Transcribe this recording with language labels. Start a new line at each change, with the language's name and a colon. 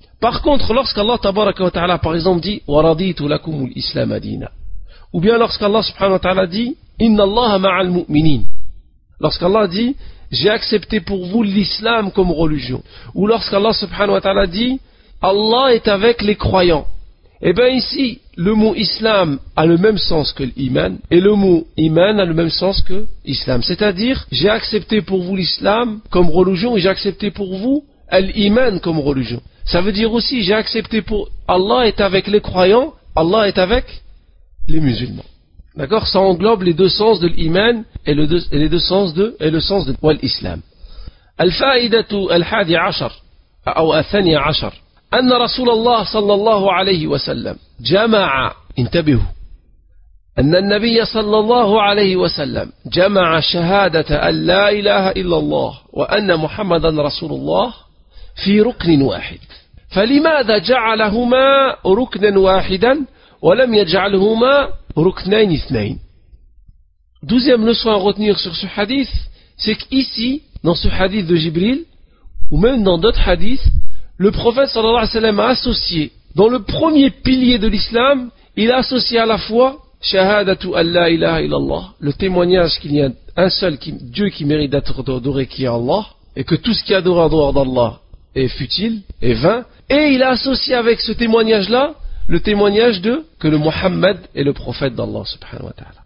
French: Par contre, lorsqu'Allah tabaraka wa ta'ala par exemple dit
Arabic: wa raditu lakum al-islam adina,
French: ou bien lorsqu'Allah subhanahu wa ta'ala dit
Arabic: inna Allaha ma'al mu'minin,
French: lorsqu'Allah dit j'ai accepté pour vous l'islam comme religion, ou lorsqu'Allah subhanahu wa ta'ala dit Allah est avec les croyants, et bien ici le mot islam a le même sens que l'iman et le mot iman a le même sens que islam, c'est à dire j'ai accepté pour vous l'islam comme religion et j'ai accepté pour vous l'iman comme religion. Ça veut dire aussi j'ai accepté pour Allah est avec les croyants, Allah est avec les musulmans. D'accord, ça englobe les deux sens de l'iman et les deux sens de et le sens de l'islam.
Arabic: Al-fa'idatu al-hadi ashar ou al-thani ashar. أن رسول الله صلى الله عليه وسلم جمع انتبهوا أن النبي صلى الله عليه وسلم جمع شهادة أن لا إله إلا الله وأن محمدا رسول الله في ركن واحد فلماذا جعلهما ركنا واحدا ولم يجعلهما ركنين اثنين.
French: Deuxième leçon à retenir sur ce hadith, c'est qu'ici, dans ce hadith de Jibril, ou même dans d'autres hadiths, le prophète sallallahu alayhi wa sallam a associé, dans le premier pilier de l'islam, il a associé à la fois
Arabic: shahadatu an la ilaha illallah,
French: le témoignage qu'il y a un seul Dieu qui mérite d'être adoré, qui est Allah, et que tout ce qui est adoré en dehors d'Allah est futile, est vain, et il a associé avec ce témoignage-là le témoignage de que le Mohammed est le prophète d'Allah subhanahu wa ta'ala.